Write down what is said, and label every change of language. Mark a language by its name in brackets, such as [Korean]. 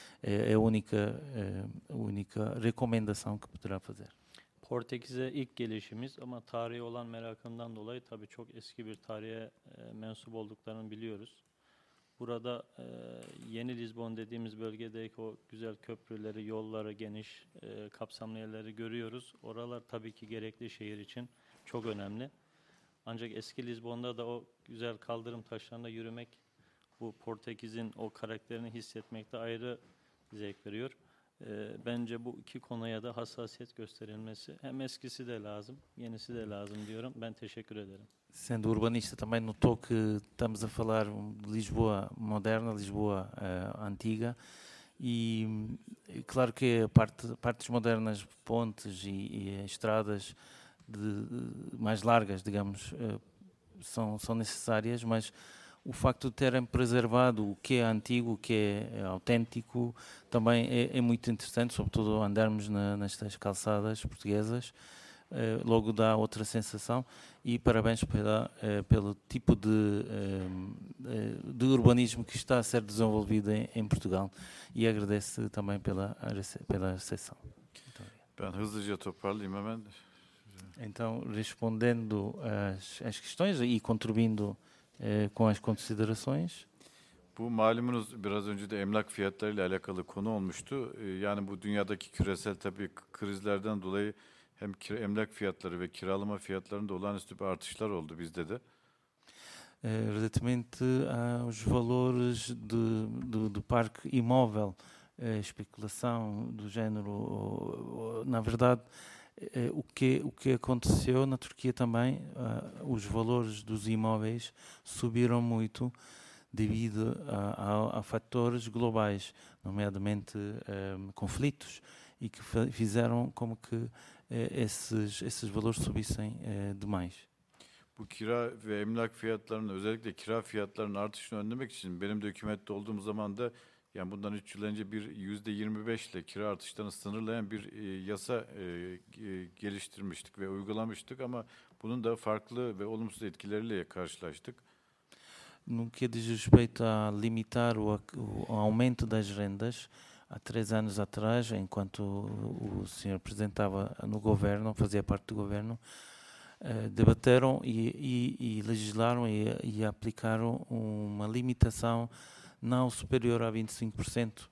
[Portuguese] É a única recomendação que poderá fazer. [Turkish] Portekiz'e ilk gelişimiz ama tarihi olan merakından dolayı tabii çok eski bir tarihe mensup olduklarını biliyoruz. Burada Yeni Lizbon dediğimiz bölgedeki o güzel köprüleri, yolları, geniş kapsamlı yerleri görüyoruz. Oralar tabii ki gerekli şehir için çok önemli. Ancak eski Lizbon'da da o güzel kaldırım taşlarında yürümek bu Portekiz'in o karakterini hissetmekte ayrı zevk veriyor. Bence bu iki konuya da hassasiyet gösterilmesi hem eskisi de lazım, yenisi de lazım diyorum. Ben teşekkür ederim. [Portuguese] Sendo urbanista também notou que estamos a falar de Lisboa moderna, Lisboa antiga. E claro que partes modernas, pontes e estradas mais largas, digamos, são necessárias, mas o facto de terem preservado o que é antigo, o que é autêntico, também é muito interessante, sobretudo andarmos nestas calçadas portuguesas, logo dá outra sensação. E parabéns pelo tipo de urbanismo que está a ser desenvolvido em Portugal. E agradeço também pela recepção. Então, então, respondendo às questões e contribuindo com as considerações. [Turkish] Bu malumunuz biraz önce de emlak fiyatlarıyla alakalı konu olmuştu. Yani bu dünyadaki küresel tabii krizlerden dolayı hem emlak fiyatları ve kiralama fiyatlarında olağanüstü bir artışlar oldu bizde de. [Portuguese] Relativamente aos valores do parque imóvel, especulação do gênero, na verdade o que aconteceu na Turquia também, os valores dos imóveis subiram muito devido a fatores globais, nomeadamente conflitos, e que fizeram como que esses valores subissem demais. [Turkish] Bu kira ve emlak fiyatlarının, özellikle kira fiyatlarının artışını önlemek için benim de hükümette olduğum zaman da yani bundan 3 yıl önce bir %25 ile kira artışlarını sınırlayan bir yasa geliştirmiştik ve uygulamıştık ama bunun da farklı ve olumsuz etkileriyle karşılaştık. [Portuguese] No que diz respeito a limitar o aumento das rendas, há 3 anos atrás, enquanto o senhor apresentava no governo, fazia parte do governo, debateram e legislaram e aplicaram uma limitação não superior a 25%